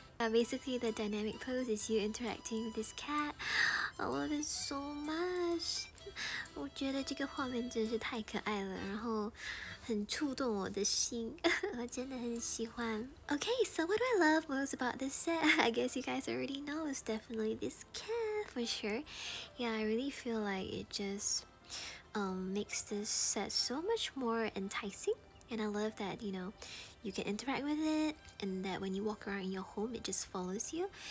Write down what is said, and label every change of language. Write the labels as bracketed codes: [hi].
[en] Basically, the dynamic pose is you interacting with this cat. I love it so much. [zh] 我觉得这个画面真是太可爱了，然后很触动我的心。我真的很喜欢。 [en] Okay, so what do I love most about this set? I guess you guys already know it's definitely this cat for sure. Yeah, I really feel like it just makes this set so much more enticing. And I love that, you know, you can interact with it, and that when you walk around in your home, it just follows you.